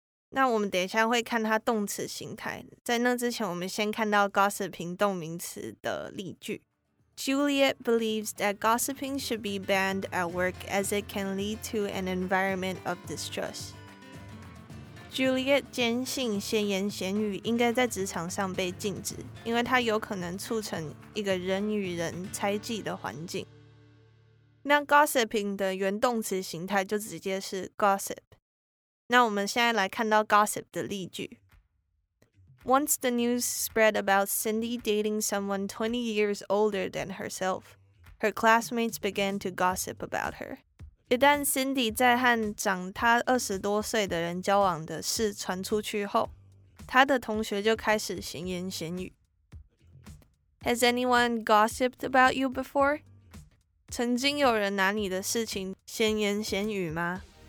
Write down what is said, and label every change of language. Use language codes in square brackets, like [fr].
[zh] 那我们等一下会看它动词形态。在那之前，我们先看到 gossiping 动名词的例句。 [en] Juliet believes that gossiping should be banned at work as it can lead to an environment of distrust. [zh] Juliet 坚信闲言闲语应该在职场上被禁止，因为它有可能促成一个人与人猜忌的环境。那 gossiping 的原动词形态就直接是 gossip。那我们现在来看到 gossip 的例句。 [en] Once the news spread about Cindy dating someone 20 years older than herself, her classmates began to gossip about her. [zh] 一旦 Cindy 在和长她20多岁的人交往的事传出去后，她的同学就开始闲言闲语。 [en] Has anyone gossiped about you before? [zh] 曾经有人拿你的事情闲言闲语吗？